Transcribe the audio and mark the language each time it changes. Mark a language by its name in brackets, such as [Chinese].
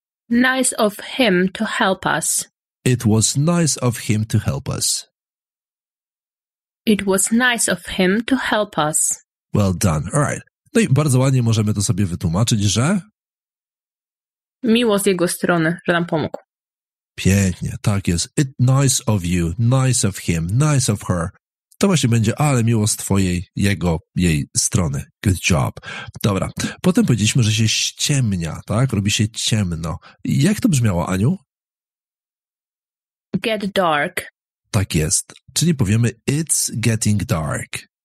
[English] Nice of him to help us. It was nice of him to help us. It was nice of him to help us. Well done. All right. [Polish] No i bardzo ładnie możemy to sobie wytłumaczyć, że... Miło z jego strony, że nam pomógł. Pięknie, tak jest. [English] It's nice of you, nice of him, nice of her. [Polish] To właśnie będzie, ale miło z twojej, jego, jej strony. [English] Good job. [Polish] Dobra, potem powiedzieliśmy, że się ściemnia, tak? Robi się ciemno. Jak to brzmiało, Aniu? [English] Get dark. [Polish] Tak jest. Czyli powiemy, [English] it's getting dark.